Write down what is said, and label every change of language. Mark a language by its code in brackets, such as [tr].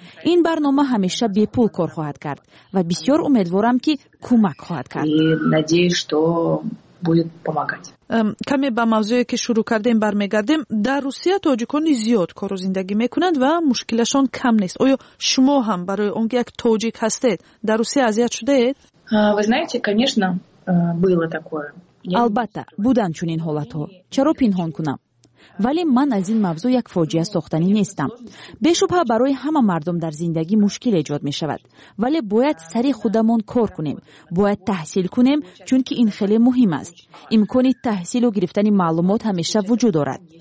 [fa] این برنامه همیشه بی پول کار خواهد کرد و بسیار امیدوارم که کمک خواهد کرد. کمی به موضوعی که شروع کردیم برمیگردیم. در روسیه تاجیکان زیاد کار و زندگی میکنند و مشکلشان کم نیست. آیا شما هم برای اونگی یک تاجیک هستید در روسیه اذیت شده اید؟ [ru] Вы знаете, конечно, было такое. [tg] Албатта, будан чунин ҳолатҳо. Чаро пинҳон кунам? Вале ман аз ин мавзу як фоҷиа сохтани нестам. Бешубҳа барои ҳама мардум дар зиндагӣ мушкил эҷод мешавад. Вале бояд сари худамон кор кунем. Бояд таҳсил кунем, чунки ин хеле муҳим аст. Имкони таҳсилу гирифтани маълумот ҳамеша вуҷуд дорад.